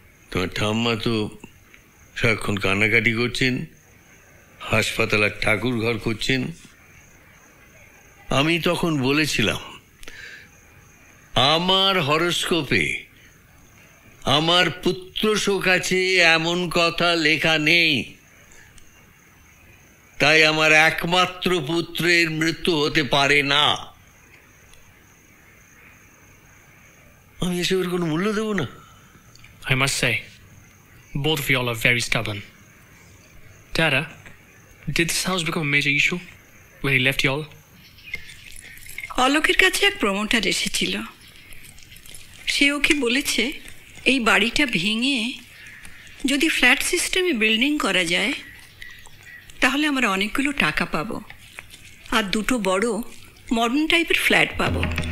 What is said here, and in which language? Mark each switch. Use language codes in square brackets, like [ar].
[bn] তোমার ঠাম্মা তো সারাক্ষণ কান্নাকাটি করছেন হাসপাতাল আর ঠাকুর ঘর করছেন আমি তখন বলেছিলাম আমার হরোস্কোপে আমার পুত্র শোক আছে এমন কথা লেখা নেই তাই আমার একমাত্র পুত্রের মৃত্যু হতে পারে না আমি এসবের কোনো মূল্য দেব না [en] I must say both of you all are very stubborn টাটা Did this house become a major issue when he left y'all? [bn] অলোকের কাছে এক প্রমোটার এসেছিল। সেও কি বলেছে এই বাড়িটা ভেঙে যদি ফ্ল্যাট সিস্টেমে বিল্ডিং করা যায় তাহলে আমরা অনেকগুলো টাকা পাবো আর দুটো বড় মডার্ন টাইপের ফ্ল্যাট পাবো।